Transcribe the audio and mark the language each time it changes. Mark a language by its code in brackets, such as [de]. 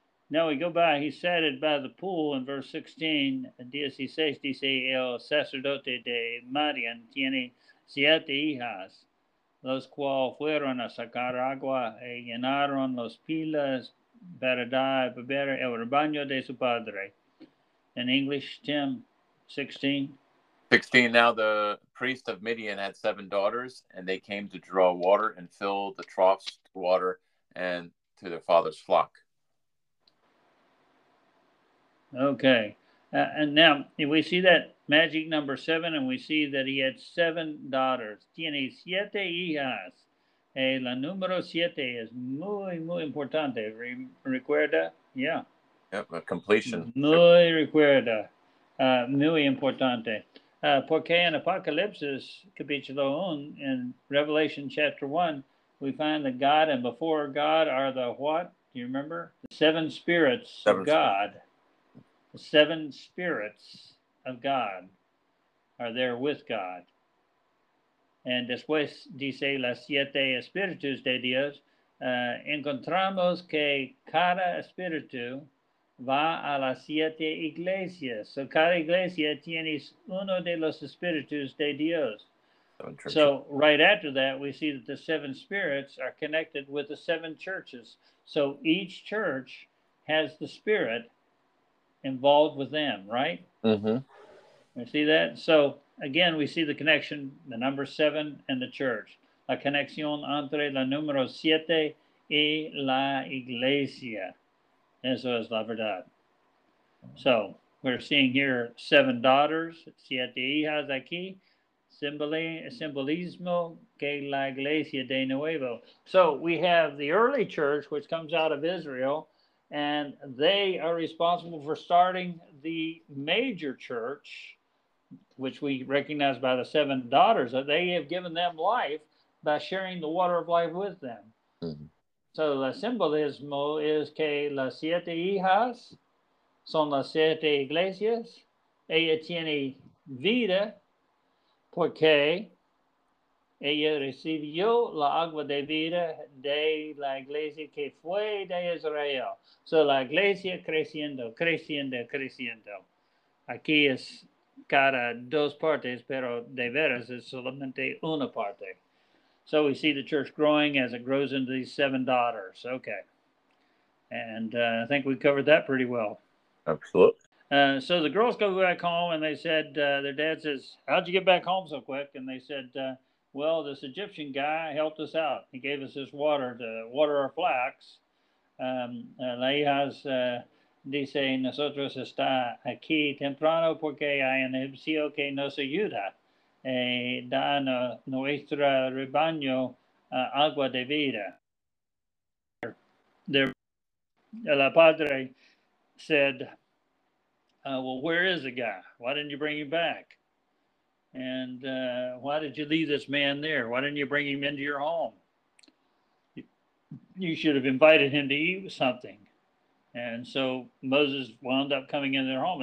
[en] Now we go by, he sat it by the pool in verse 16, 16, [es] dice, el sacerdote de Marian tiene siete hijas, los cuales fueron a sacar agua y llenaron los pilas para dar beber el rebaño de su padre. [en] In English, Tim, 16. 16, now the priest of Midian had seven daughters, and they came to draw water and fill the troughs with water and to their father's flock. Okay, and now we see that magic number seven, and we see that he had seven daughters. Tiene siete hijas. La número siete es muy, muy importante. [es] ¿Recuerda? [en] Yeah. Yep, a completion. [es] Muy recuerda. Muy importante. Porque en Apocalipsis, capítulo 1, [en] in Revelation chapter 1, we find that God and before God are the what? Do you remember? The seven spirits of God. The seven spirits of God are there with God. And [es] después dice las siete espíritus de Dios. Encontramos que cada espíritu va a las siete iglesias. So cada iglesia tiene uno de los espíritus de Dios. [en] So right after that, we see that the seven spirits are connected with the seven churches. So each church has the spirit involved with them, right? Mm-hmm. We see that? So again, we see the connection, the number seven and the church. [es] La conexión entre la número siete y la iglesia. Eso es la verdad. [en] So, we're seeing here seven daughters, [es] siete hijas aquí. Simbolismo que la iglesia de nuevo. [en] So, we have the early church, which comes out of Israel, and they are responsible for starting the major church, which we recognize by the seven daughters. They have given them life by sharing the water of life with them. Mm-hmm. So the [es] simbolismo [en] is [es] que las siete hijas son las siete iglesias. Ella tiene vida porque ella recibió la agua de vida de la iglesia que fue de Israel. So la iglesia creciendo, creciendo, creciendo. Aquí es cada dos partes, pero de veras es solamente una parte. [en] So we see the church growing as it grows into these seven daughters. Okay. And I think we covered that pretty well. Absolutely. So the girls go back home and they said, their dad says, how'd you get back home so quick? And they said, well, this Egyptian guy helped us out. He gave us this water to water our flax. [es] La hija dice, nosotros está aquí temprano porque hay un egipcio que nos ayuda. Dana nuestra rebaño agua de vida. [en] There, [es] la padre [en] said, well, where is the guy? Why didn't you bring him back? And why did you leave this man there? Why didn't you bring him into your home? You should have invited him to eat something. And so Moses wound up coming into their home.